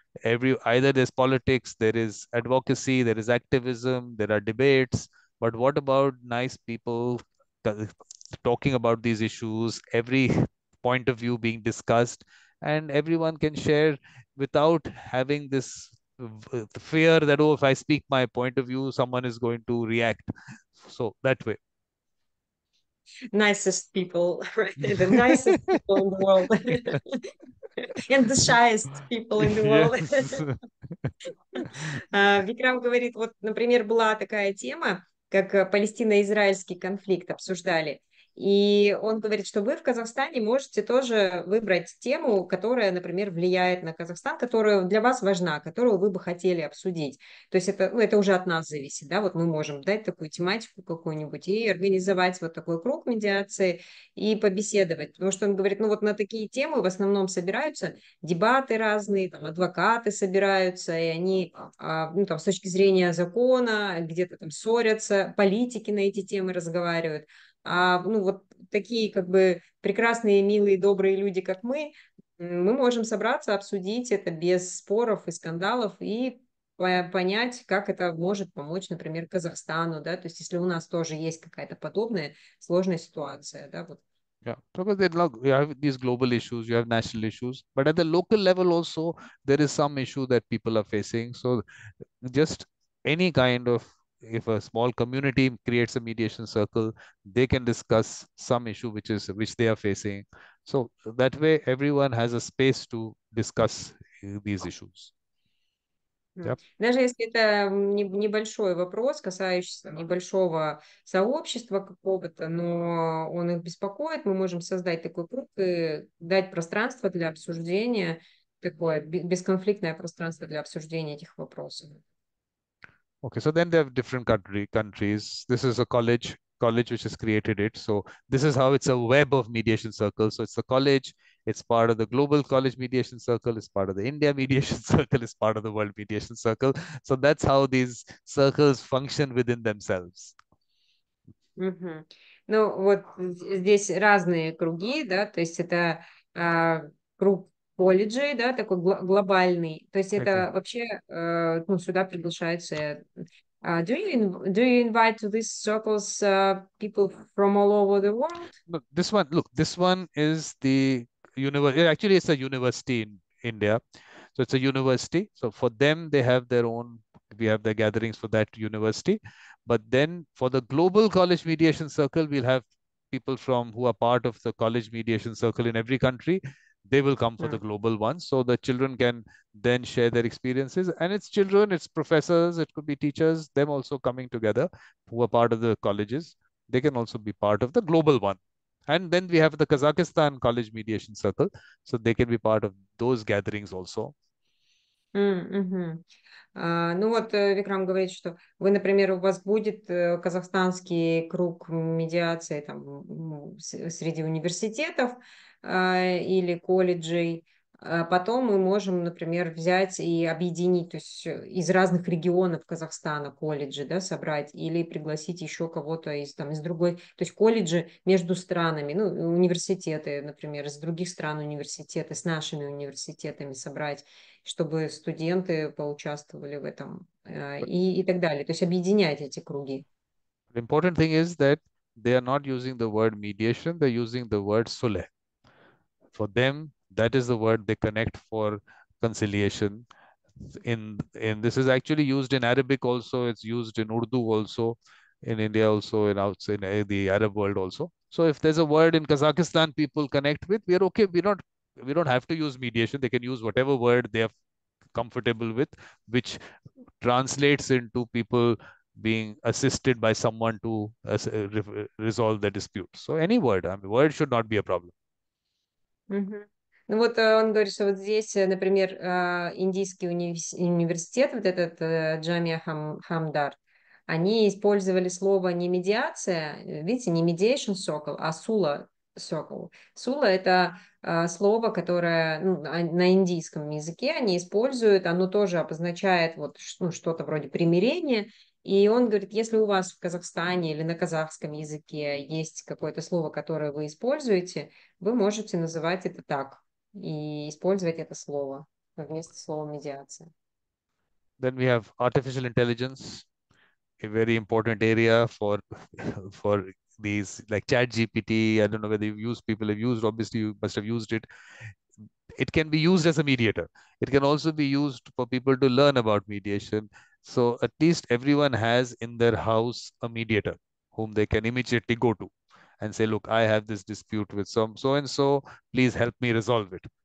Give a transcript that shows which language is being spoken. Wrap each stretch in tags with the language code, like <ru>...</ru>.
<en>Either there's politics, there is advocacy, there is activism, there are debates, but what about nice people talking about these issues, every point of view being discussed, and everyone can share without having this fear that, oh, if I speak my point of view, someone is going to react. So that way. Nicest people, right? The Yes. nicest people in the world and the shyest people in the world.</en> <ru>Викрам говорит, вот, например, была такая тема, как Палестино-Израильский конфликт обсуждали. И он говорит, что вы в Казахстане можете тоже выбрать тему, которая, например, влияет на Казахстан, которая для вас важна, которую вы бы хотели обсудить. То есть это, ну, это уже от нас зависит, да, вот мы можем дать такую тематику какую-нибудь и организовать вот такой круг медиации и побеседовать. Потому что он говорит, ну вот на такие темы в основном собираются дебаты разные, там адвокаты собираются, и они, ну там с точки зрения закона где-то там ссорятся, политики на эти темы разговаривают. А, ну вот такие как бы прекрасные, милые, добрые люди, как мы, мы можем собраться, обсудить это без споров и скандалов и понять, как это может помочь, например, Казахстану, да, то есть если у нас тоже есть какая-то подобная сложная ситуация, да, вот.</ru> <en>Yeah, because they like, you have these global issues, you have national issues, but at the local level also there is some issue that people are facing. So just any kind of, if a small community creates a mediation circle, they can discuss some issue which they are facing. So that way everyone has a space to discuss these issues.</en> <ru>Даже если это небольшой вопрос, касающийся небольшого сообщества какого-то, но он их беспокоит, мы можем создать такой круг и дать пространство для обсуждения, такое бесконфликтное пространство для обсуждения этих вопросов.</ru> <en>Okay, so then they have different countries. This is a college which has created it. So this is how it's a web of mediation circles. So it's the college, it's part of the global college mediation circle, it's part of the India mediation circle, it's part of the world mediation circle. So that's how these circles function within themselves.</en> <ru>Ну, вот здесь разные круги, да, то есть это круг колледжей, да, такой глобальный, то есть</ru> <en>Exactly.</en> <ru>это вообще, ну, сюда приглашается,</ru> <en>do you invite to these circles people from all over the world? But this one, look, this one is the university. Actually, it's a university in India. So it's a university. So for them, they have their own, we have their gatherings for that university. But then for the global college mediation circle, we'll have people from who are part of the college mediation circle in every country. They will come for the global one. So the children can then share their experiences. And it's children, it's professors, it could be teachers, them also coming together who are part of the colleges. They can also be part of the global one. And then we have the Kazakhstan College Mediation Circle, so they can be part of those gatherings also.</en> <ru>Ну вот Викрам говорит, что вы, например, у вас будет казахстанский круг медиации там среди университетов или колледжей. Потом мы можем, например, взять и объединить, то есть из разных регионов Казахстана колледжи, да, собрать или пригласить еще кого-то из там из другой, то есть колледжи между странами, ну, университеты, например, из других стран университеты с нашими университетами собрать, чтобы студенты поучаствовали в этом и так далее, то есть объединять эти круги.</ru> <en>The important thing is that they are not using the word mediation, they're using the word sulh. For them, that is the word they connect for conciliation. In this is actually used in Arabic also, it's used in Urdu also, in India also, in outside in the Arab world also. So if there's a word in Kazakhstan people connect with, we are okay. We don't have to use mediation. They can use whatever word they are comfortable with, which translates into people being assisted by someone to resolve the dispute. So any word, I mean, word should not be a problem.</en> <ru>Ну вот он говорит, что вот здесь, например, индийский университет, вот этот Джамия Хамдар, они использовали слово не медиация, видите, не</ru> <en>mediation circle,</en> <ru>а Sula circle. Sula – это слово, которое, ну, на индийском языке они используют, оно тоже обозначает вот, ну, что-то вроде примирения. И он говорит, если у вас в Казахстане или на казахском языке есть какое-то слово, которое вы используете, вы можете называть это так и использовать это слово вместо слова медиация.</ru> <en>Then we have artificial intelligence, a very important area for these like ChatGPT. I don't know whether you've used, people have used, obviously you must have used it. It can be used as a mediator. It can also be used for people to learn about mediation. So at least everyone has in their house a mediator whom they can immediately go to and say, look, I have this dispute with some so and so, please help me resolve it.</en>